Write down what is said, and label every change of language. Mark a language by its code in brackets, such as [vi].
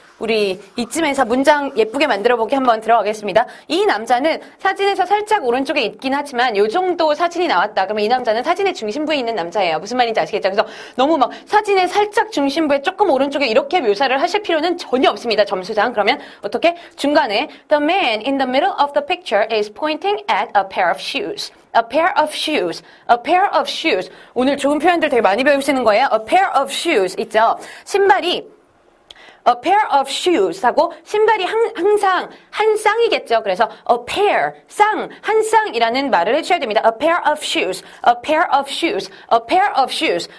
[ko] 우리 이쯤에서 문장 예쁘게 만들어보기 한번 들어가겠습니다. 이 남자는 사진에서 살짝 오른쪽에 있긴 하지만 요 정도 사진이 나왔다. 그러면 이 남자는 사진의 중심부에 있는 남자예요. 무슨 말인지 아시겠죠? 그래서 너무 막 사진의 살짝 중심부에 조금 오른쪽에 이렇게 묘사를 하실 필요는 전혀 없습니다. 점수상. 그러면 어떻게? 중간에 [en] The man in the middle of the picture is pointing at a pair of shoes. A pair of shoes. A pair of shoes. [ko] 오늘 좋은 표현들 되게 많이 배우시는 거예요. [en] A pair of shoes. [ko] 있죠? 신발이 [en] A pair of shoes [ko] 하고 신발이 항상 한 쌍이겠죠. 그래서 a pair, 쌍, 한 쌍이라는 말을 해주셔야 됩니다. [en] A pair of shoes, a pair of shoes, a pair of shoes.